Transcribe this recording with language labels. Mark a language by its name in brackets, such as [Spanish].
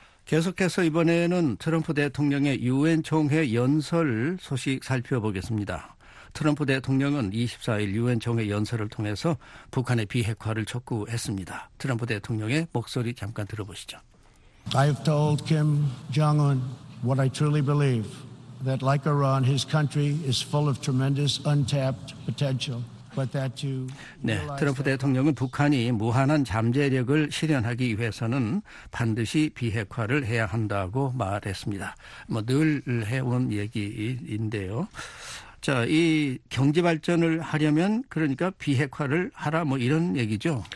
[Korean] 계속해서 이번에는 트럼프 대통령의 유엔 총회 연설 소식 살펴보겠습니다. 트럼프 대통령은 24일 유엔 총회 연설을 통해서 북한의 비핵화를 촉구했습니다. 트럼프 대통령의 목소리 잠깐 들어보시죠. [English] I have told Kim Jong-un what I truly believe, that like Iran, his country is full of tremendous untapped potential. [Korean] 네, 트럼프 대통령은 북한이 무한한 잠재력을 실현하기 위해서는 반드시 비핵화를 해야 한다고 말했습니다. 뭐 늘 해온 얘기인데요. 자, 이 경제 발전을 하려면 그러니까 비핵화를 하라 뭐 이런 얘기죠.